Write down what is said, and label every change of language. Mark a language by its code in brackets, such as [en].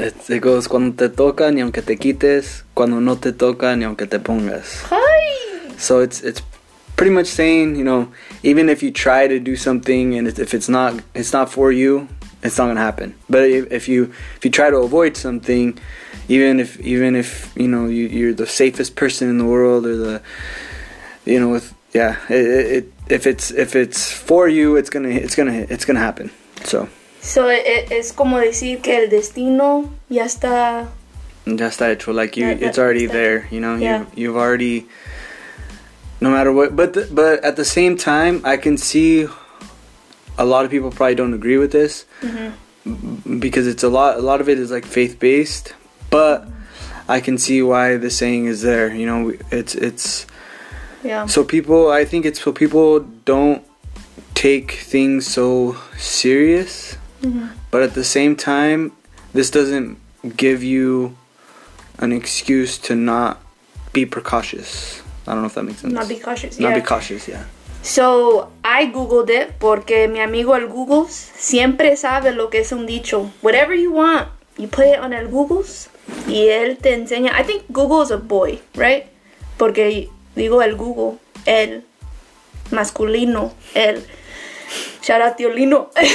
[en] It goes, [es] cuando te toca, ni aunque te quites. Cuando no te toca, ni aunque te pongas. [en] Hi. So it's pretty much saying, you know, even if you try to do something and if it's not for you, it's not gonna happen. But if you try to avoid something, even if you know you're the safest person in the world or the, you know, with, yeah, if it's for you, it's gonna happen. So [es] es como decir que el destino ya está [en] hecho, like you, it's already there, you know. Yeah. you've already. No matter what, but at the same time, I can see a lot of people probably don't agree with this, mm-hmm. because it's a lot of it is like faith based, but I can see why the saying is there, you know, it's yeah. So people, I think it's so people don't take things so serious, mm-hmm. but at the same time, this doesn't give you an excuse to not be precautious. I don't know if that makes sense. Not be cautious, yeah. So, I Googled it [es] porque mi amigo el Googles siempre sabe lo que es un dicho. [en] Whatever you want, you put it on [es] el Googles y él te enseña. [en] I think Google is a boy, right? [es] Porque digo el Google, el masculino, el. [en] Shout out tío Lino.